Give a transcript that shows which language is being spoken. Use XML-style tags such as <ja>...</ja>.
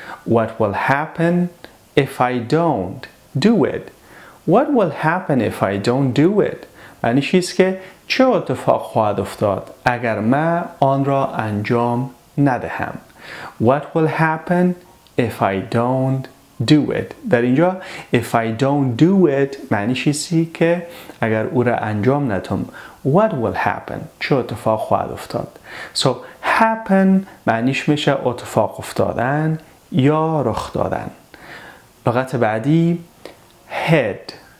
<en>What will happen if I don't do it? What will happen if I don't do it?</en> <fa>یعنی چیست که چه اتفاق خواهد افتاد اگر من آن را انجام ندهم.</fa> <en>What will happen if I don't do it?</en> <fa>در اینجا</fa> <en>if I don't do it</en> <fa>معنی چیستی که اگر او را انجام ندهم.</fa> <en>What will happen؟</en> <fa>چه اتفاق خواهد افتاد؟</fa> <en>So happen</en> <fa>معنیش میشه اتفاق افتادن یا رخ دادن. لغت بعدی head.</fa>